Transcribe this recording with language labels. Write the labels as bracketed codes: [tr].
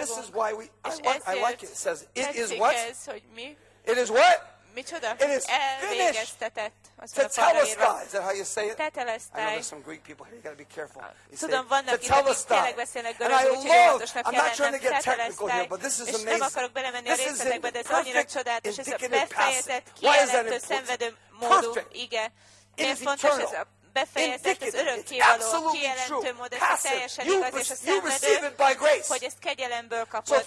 [en] And this is why I like it. It says, it is what? Ez, it is what? [hu] Micsoda? [en] It is finished. Tetelestai, is that how you say it? [el] Tetelestai. [en] I know there's some Greek people here, you got to be careful. [hu] Tudom, vannak itt, akik tényleg beszélnek görögül, [en] I'm not trying to get technical here, but this is amazing. [hu] Nem akarok belemenni a részletekbe, de ez annyira csodálatos, ez a befejezett, kielentő, szenvedő módú, ige. Miért fontos ez a befejezett, az örökkévaló, kielentő mód, ez a teljesen igaz, és a szenvedő, hogy ezt kegyelemből kapod.